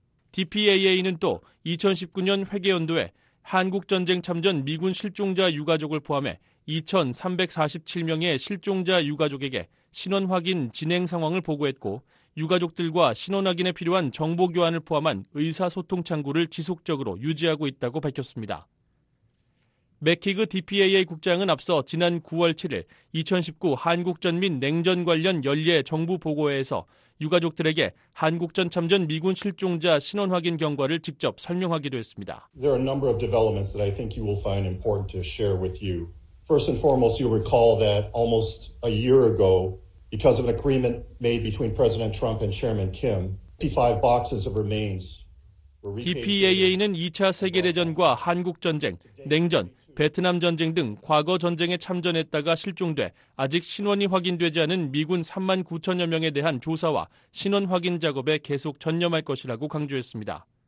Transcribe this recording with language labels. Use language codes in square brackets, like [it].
[ko] DPAA는 또 2019년 회계 연도에 한국전쟁 참전 미군 실종자 유가족을 포함해 2,347명의 실종자 유가족에게 신원 확인 진행 상황을 보고했고, 유가족들과 신원 확인에 필요한 정보 교환을 포함한 의사소통 창구를 지속적으로 유지하고 있다고 밝혔습니다. 맥키그 DPAA 국장은 앞서 지난 9월 7일 2019 한국전 및 냉전 관련 연례 정부 보고회에서 유가족들에게 한국전 참전 미군 실종자 신원 확인 경과를 직접 설명하기도 했습니다. [en] There are a number of developments that I think you will find important to share with you. First and foremost, you'll recall that almost a year ago, because of an agreement made between President Trump and Chairman Kim, 55 boxes of remains. [ko] DPAA는 2차 세계대전과 한국전쟁, 냉전, 베트남 전쟁 등 과거 전쟁에 참전했다가 실종돼 아직 신원이 확인되지 않은 미군 3만 9천여 명에 대한 조사와 신원 확인 작업에 계속 전념할 것이라고 강조했습니다.